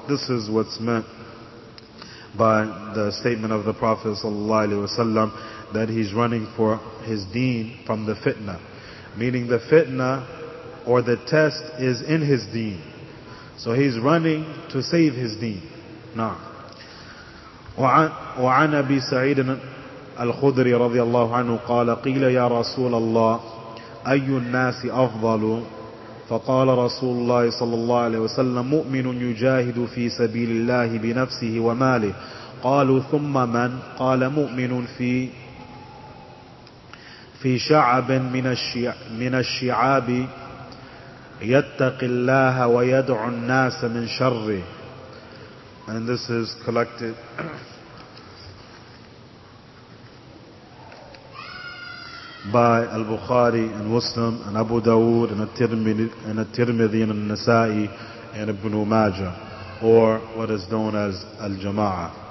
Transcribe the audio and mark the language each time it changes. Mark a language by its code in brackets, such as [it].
[en] This is what's meant by the statement of the Prophet sallallahu alaihi wasallam that he's running for his deen from the fitna. Meaning the fitna or the test is in his deen. So he's running to save his deen. Nah. [ar] وعن أبي سعيد الخدري رضي الله عنه قال قيل يا رسول الله أي الناس أفضل فقال رسول الله صلى الله عليه وسلم مؤمن يجاهد في سبيل الله بنفسه وماله قالوا ثم من قال مؤمن في شعب من الشعاب يتقي الله ويدعو الناس من شره. [en] And this is collected by Al-Bukhari and Muslim and Abu Dawood and At-Tirmidhi and An-Nasa'i and Ibn Majah, or what is known as Al-Jama'ah.